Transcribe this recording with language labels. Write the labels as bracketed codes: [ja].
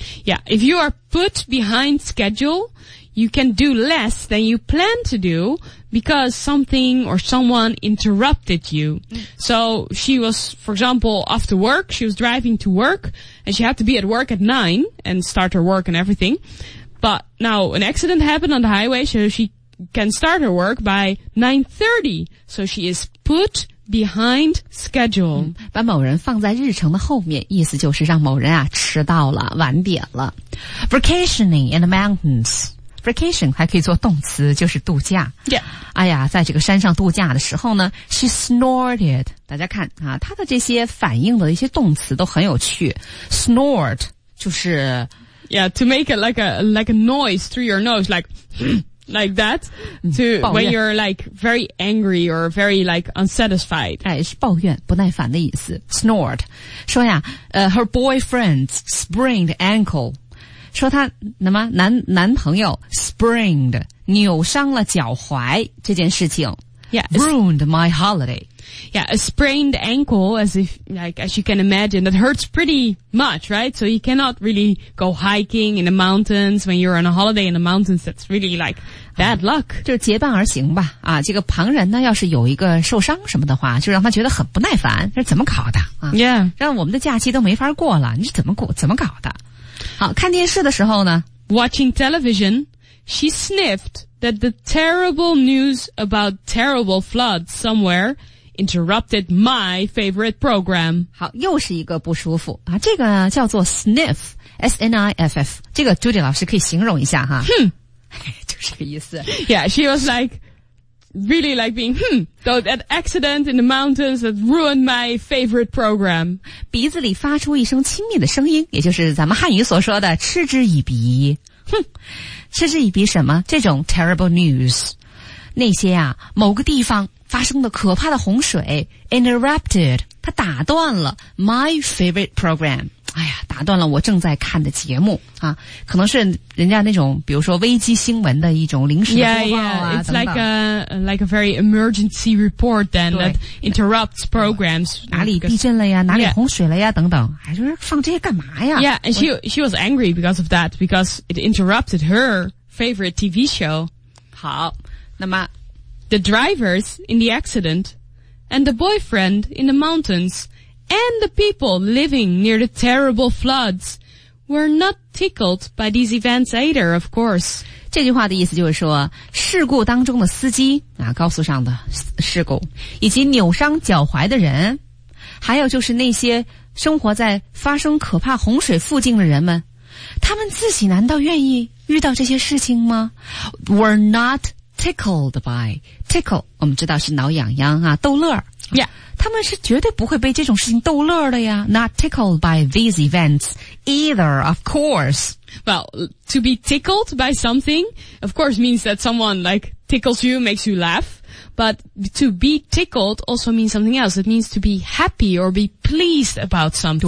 [en] Yeah, if you are put behind schedule, you can do less than you plan to do because something or someone interrupted you. So she was, for example, off to work, she was driving to work and she had to be at work at 9 and start her work and everything. But now an accident happened on the highway, so she can start her work by 9:30. So she is put behind schedule.、 [zh] 把某人放在日程的后面，意思就是让某人啊迟到了，晚点了。 [en] Vacationing in the mountains. [zh] Vacation 还可以做动词，就是度假。 [en] Yeah. [zh] 哎呀，在这个山上度假的时候呢 ， [en] she snorted. [zh] 大家看啊，他的这些反应的一些动词都很有趣。 Snort 就是。 [en] Yeah, to make it like a noise through your nose, like that, to, when you're like very angry or very like unsatisfied. [zh] 哎，是抱怨，不耐烦的意思。 [en] Snort. [zh] 说呀， [en] her boyfriend sprained ankle. [zh] 说他什么男朋友 sprained, 扭伤了脚踝这件事情。 [en] Yeah. Ruined my holiday. Yeah, a sprained ankle, as you can imagine, that hurts pretty much, right? So you cannot really go hiking in the mountains when you're on a holiday in the mountains. That's really like bad luck. [zh] 就结伴而行吧。啊，这个旁人呢，要是有一个受伤什么的话，就让他觉得很不耐烦。这是怎么搞的？啊、 [en] yeah. [zh] 让我们的假期都没法过了。你是怎么搞的？好，看电视的时候呢 [en] ？Watching television, she sniffed. That the terrible news about terrible floods somewhere interrupted my favorite program. [zh] 好，又是一个不舒服啊！这个叫做 sniff, S-N-I-F-F。这个朱迪老师可以形容一下哈。就是这个意思。 [en] Yeah, she was like really like being though that accident in the mountains that ruined my favorite program. [zh] 鼻子里发出一声轻蔑的声音，也就是咱们汉语所说的嗤之以鼻。哼，嗤之以鼻什么？这种 [en] terrible news， [zh] 那些啊，某个地方发生的可怕的洪水 interrupted， 它打断了 [en] my favorite program。 [zh] 哎呀，打断了我正在看的节目啊，可能是人家那种，比如说危机新闻的一种临时的播报啊， [en] yeah, yeah. It's like a very emergency report then that interrupts programs. [zh] 哪里地震了呀？哪里洪水了呀？Yeah. 等等，哎，就是放这些干嘛呀 [en] ？Yeah, and she was angry because of that because it interrupted her favorite TV show. [zh] 好，那么 [en] the drivers in the accident and the boyfriend in the mountains. And the people living near the terrible floods were not tickled by these events either, of course. [zh] 这句话的意思就是说，事故当中的司机啊，高速上的事故，以及扭伤脚踝的人，还有就是那些生活在发生可怕洪水附近的人们，他们自己难道愿意遇到这些事情吗？ [en] Were not tickled by tickle. [zh] 我们知道是挠痒痒啊，逗乐。 [en] Yeah. [zh] 他们是绝对不会被这种事情逗乐的呀。 [en] Not tickled by these events either, of course. Well, to be tickled by something, of course, means that someone, like, tickles you, makes you laugh. But to be tickled also means something else. It means to be happy or be pleased about something.